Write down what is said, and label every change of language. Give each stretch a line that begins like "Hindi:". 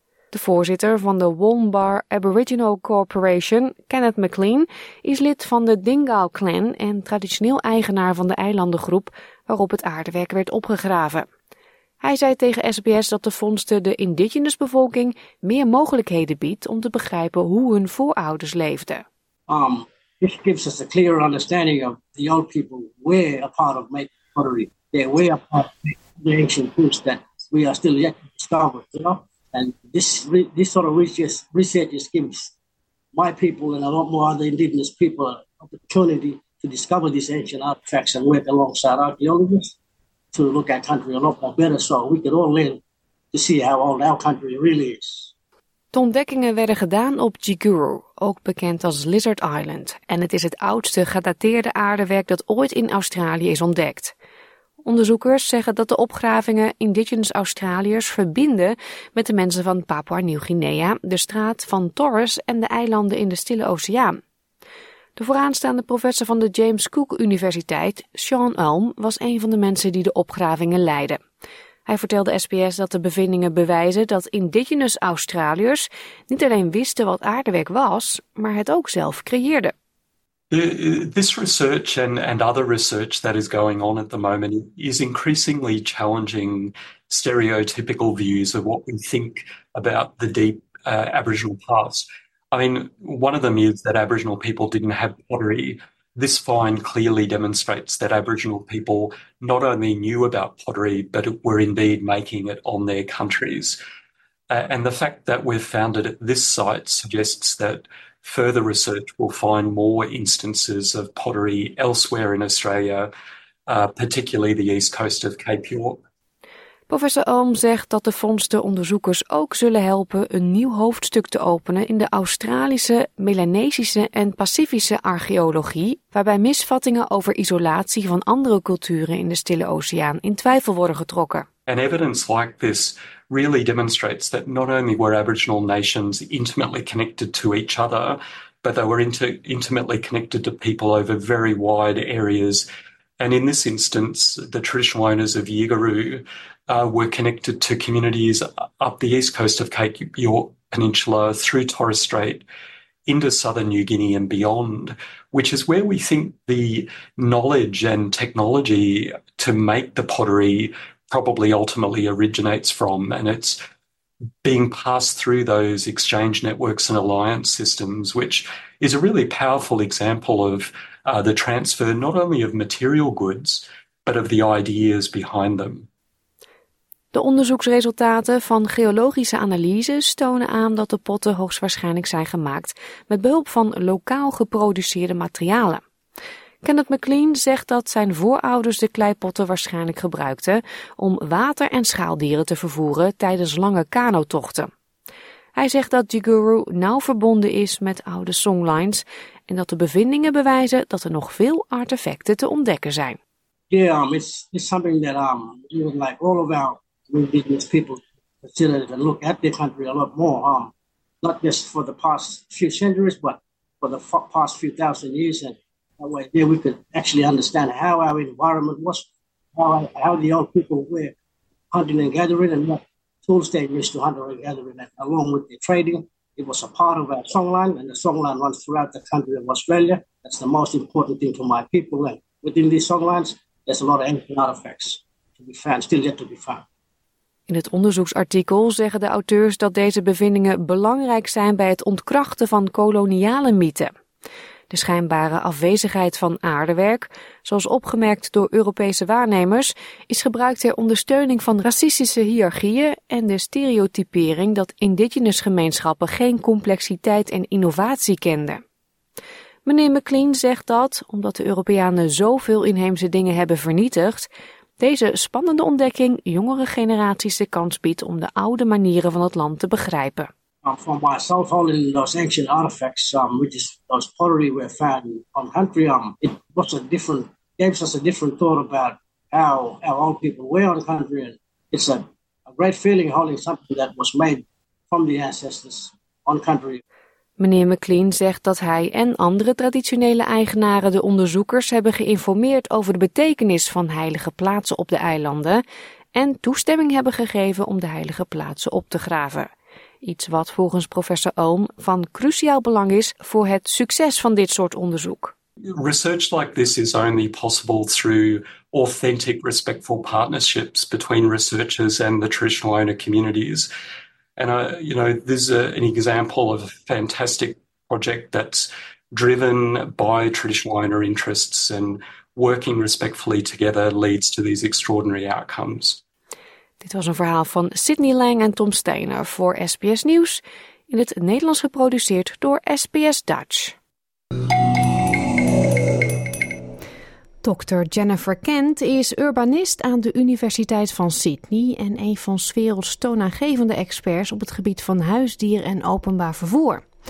Dutch: De voorzitter van de Wombar Aboriginal Corporation, Kenneth McLean, is lid van de Dingaal Clan en traditioneel eigenaar van de eilandengroep waarop het aardewerk werd opgegraven. Hij zei tegen SBS dat de vondsten de indigenous bevolking meer mogelijkheden biedt om te begrijpen hoe hun voorouders leefden.
English: This gives us a clearer understanding of the old people were a part of Maple Pottery. They were a part of the ancient groups that we are still yet to discover. You know? And this sort of research gives my people and a lot more other indigenous people an opportunity to discover these ancient artifacts and work alongside archaeologists to look at country a lot more better, so we could all learn to see how old our country really is.
Dutch: De ontdekkingen werden gedaan op Jiguru, ook bekend als Lizard Island, en het is het oudste gedateerde aardewerk dat ooit in Australië is ontdekt. Onderzoekers zeggen dat de opgravingen Indigenous Australiërs verbinden met de mensen van Papua-Nieuw-Guinea, de straat van Torres en de eilanden in de Stille Oceaan. De vooraanstaande professor van de James Cook Universiteit, Sean Ulm, was een van de mensen die de opgravingen leidde. Hij vertelde SBS dat de bevindingen bewijzen dat Indigenous Australiërs niet alleen wisten wat aardewerk was, maar het ook zelf creëerden.
English: This research and other research that is going on at the moment is increasingly challenging stereotypical views of what we think about the deep Aboriginal past. I mean, one of them is that Aboriginal people didn't have pottery. This find clearly demonstrates that Aboriginal people not only knew about pottery, but were indeed making it on their countries. And the fact that we've found it at this site suggests that further research will find more instances of pottery elsewhere in Australia, particularly the east coast of Cape York.
Dutch: Professor Ulm zegt dat de vondsten onderzoekers ook zullen helpen een nieuw hoofdstuk te openen in de Australische, Melanesische en Pacifische archeologie, waarbij misvattingen over isolatie van andere culturen in de Stille Oceaan in twijfel worden getrokken.
English: And evidence like this really demonstrates that not only were Aboriginal nations intimately connected to each other, but they were intimately connected to people over very wide areas. And in this instance, the traditional owners of Yiguru were connected to communities up the east coast of Cape York Peninsula through Torres Strait into southern New Guinea and beyond, which is where we think the knowledge and technology to make the pottery probably ultimately originates from. And it's being passed through those exchange networks and alliance systems, which is a really powerful example of the transfer not only of material goods, but of the ideas behind them.
Dutch: De onderzoeksresultaten van geologische analyses tonen aan dat de potten hoogstwaarschijnlijk zijn gemaakt met behulp van lokaal geproduceerde materialen. Kenneth McLean zegt dat zijn voorouders de kleipotten waarschijnlijk gebruikten om water en schaaldieren te vervoeren tijdens lange kanotochten. Hij zegt dat Jiguru nauw verbonden is met oude songlines en dat de bevindingen bewijzen dat er nog veel artefacten te ontdekken zijn.
English: Yeah, it's something that even like all of our indigenous people consider it and look at their country a lot more. Not just for the past few centuries, but for the past few thousand years. And that way there we could actually understand how our environment was, how the old people were hunting and gathering and what tools they used to hunt and gather in, and along with their trading. It was a part of our songline, and the songline runs throughout the country of Australia. That's the most important thing for my people. And within these songlines, there's a lot of ancient artifacts to be found, still yet to be found.
Dutch: In het onderzoeksartikel zeggen de auteurs dat deze bevindingen belangrijk zijn bij het ontkrachten van koloniale mythen. De schijnbare afwezigheid van aardewerk, zoals opgemerkt door Europese waarnemers, is gebruikt ter ondersteuning van racistische hiërarchieën en de stereotypering dat indigenous gemeenschappen geen complexiteit en innovatie kenden. Meneer McLean zegt dat, omdat de Europeanen zoveel inheemse dingen hebben vernietigd, deze spannende ontdekking jongere generaties de kans biedt om de oude manieren van het land te begrijpen.
English: For myself, all in those ancient artifacts, which is those pottery we found on country, it was a different, gave us a different thought about how our old people were on country. And it's a great feeling holding something that was made from the ancestors on country.
Dutch: Meneer McLean zegt dat hij en andere traditionele eigenaren de onderzoekers hebben geïnformeerd over de betekenis van heilige plaatsen op de eilanden en toestemming hebben gegeven om de heilige plaatsen op te graven. Iets wat volgens professor Ohm van cruciaal belang is voor het succes van dit soort onderzoek.
English: Research like this is only possible through authentic, respectful partnerships between researchers and the traditional owner communities. And this is an example of a fantastic project that's driven by traditional owner interests, and working respectfully together leads to these extraordinary outcomes.
Dutch: Dit was een verhaal van Sydney Lang en Tom Steiner voor SBS Nieuws, in het Nederlands geproduceerd door SBS Dutch. Dr. Jennifer Kent is urbanist aan de Universiteit van Sydney en een van 's werelds toonaangevende experts op het gebied van huisdier en openbaar vervoer.